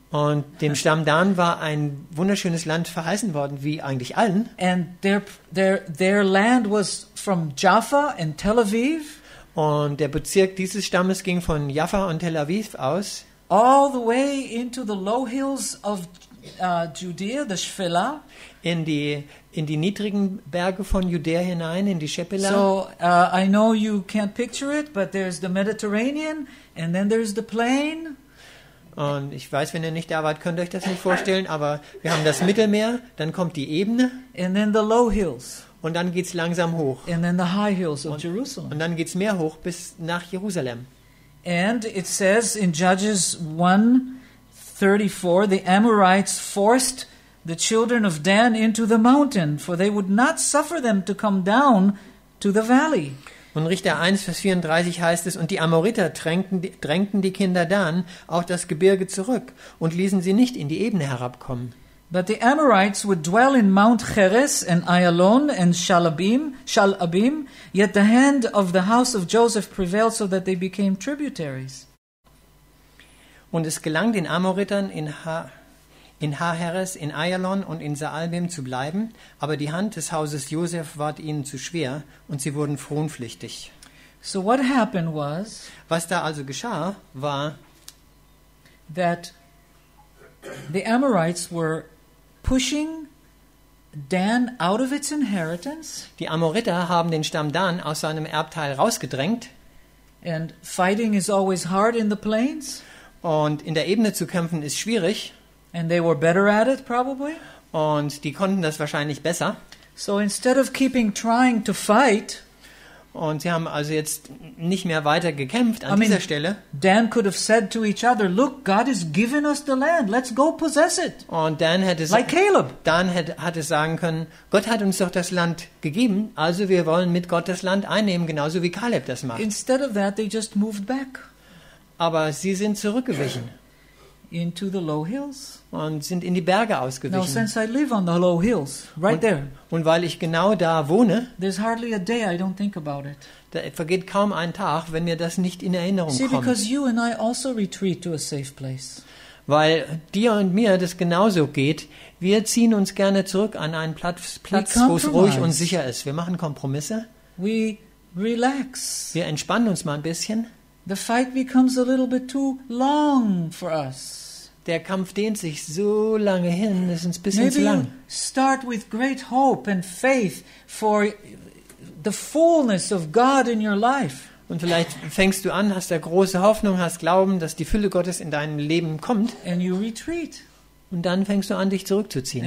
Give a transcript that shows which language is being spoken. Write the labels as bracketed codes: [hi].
[de] Und dem Stamm Dan war ein wunderschönes Land verheißen worden, wie eigentlich allen. [en] And their land was from Jaffa and Tel Aviv. [de] Und der Bezirk dieses Stammes ging von Jaffa und Tel Aviv aus. [en] all the way into the low hills of Judea, the Shephelah. [de] In die niedrigen Berge von Judäa hinein, in die Shephelah. [en] So, I know you can't picture it, but there's the Mediterranean, and then there's the plain. [de] Und ich weiß, wenn ihr nicht da wart, könnt ihr euch das nicht vorstellen, aber wir haben das Mittelmeer, dann kommt die Ebene. [en] And then the low hills. [de] Und dann geht's langsam hoch. [en] And then the high hills of Jerusalem. [de] Und dann geht's mehr hoch bis nach Jerusalem. [en] And it says in Judges 1:34, the Amorites forced the children of Dan into the mountain, for they would not suffer them to come down to the valley. [de] Und Richter 1, Vers 34 heißt es, und die Amoriter drängten die Kinder Dan auf das Gebirge zurück und ließen sie nicht in die Ebene herabkommen. [en] But the Amorites would dwell in Mount Cheres and Ayalon and Shalabim, yet the hand of the house of Joseph prevailed so that they became tributaries. [de] Und es gelang den Amoritern in Haheres, in Ayalon und in Saalbim zu bleiben, aber die Hand des Hauses Josef ward ihnen zu schwer und sie wurden fronpflichtig. [en] So what happened was, [de] was da also geschah, war, [en] that the Amorites were pushing Dan out of its inheritance. [de] Die Amoriter haben den Stamm Dan aus seinem Erbteil rausgedrängt. [en] And fighting is always hard in the plains. [de] Und in der Ebene zu kämpfen ist schwierig. [en] And they were better at it, probably. [de] Und die konnten das wahrscheinlich besser. [en] So instead of keeping trying to fight, [de] und sie haben also jetzt nicht mehr weiter gekämpft an dieser Stelle. [en] Dan could have said to each other, "Look, God has given us the land. Let's go possess it." [de] Und Dan hätte [en] like Caleb. [de] Dan hätte sagen können, Gott hat uns doch das Land gegeben, also wir wollen mit Gott das Land einnehmen, genauso wie Caleb das macht. [en] Instead of that, they just moved back. [de] Aber sie sind zurückgewichen. [en] Into the low hills. [de] Und sind in die Berge ausgewichen. [en] Now, since I live on the low hills, right [de] und, [en] there. [de] Und weil ich genau da wohne, [en] there's hardly a day I don't think about it. [de] Da vergeht kaum ein Tag, wenn mir das nicht in Erinnerung [en] see, [de] kommt. [en] Because you and I also retreat to a safe place. [de] Weil dir und mir das genauso geht. Wir ziehen uns gerne zurück an einen Platz, wo es ruhig und sicher ist. Wir machen Kompromisse. [en] We relax. [de] Wir entspannen uns mal ein bisschen. [en] The fight becomes a little bit too long for us. [de] Der Kampf dehnt sich so lange hin, es ist ein bisschen [en] maybe [de] zu lang. [en] Start with great hope and faith for the fullness of God in your life. [de] Und vielleicht fängst du an, hast da große Hoffnung, hast Glauben, dass die Fülle Gottes in deinem Leben kommt. [en] And you retreat. [de] Und dann fängst du an, dich zurückzuziehen.